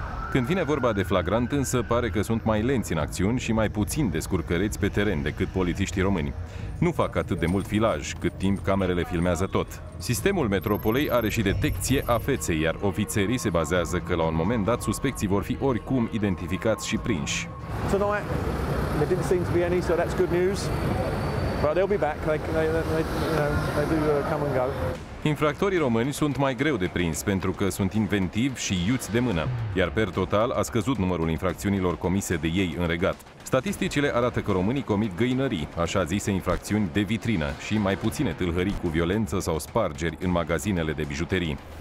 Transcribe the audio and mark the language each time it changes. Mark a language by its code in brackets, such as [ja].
[ro] Când vine vorba de flagrant, însă pare că sunt mai lenți în acțiuni și mai puțin descurcăreți pe teren decât polițiștii români. Nu fac atât de mult filaj, cât timp camerele filmează tot. Sistemul metropolei are și detecție a feței, iar ofițerii se bazează că la un moment dat suspecții vor fi oricum identificați și prinși. [en] Tonight, there didn't seem to be any, so that's good news. But they'll be back, they do come and go. [ro] Infractorii români sunt mai greu de prins pentru că sunt inventivi și iuți de mână, iar per total a scăzut numărul infracțiunilor comise de ei în regat. Statisticile arată că românii comit găinării, așa zise infracțiuni de vitrină, și mai puține tâlhării cu violență sau spargeri în magazinele de bijuterii.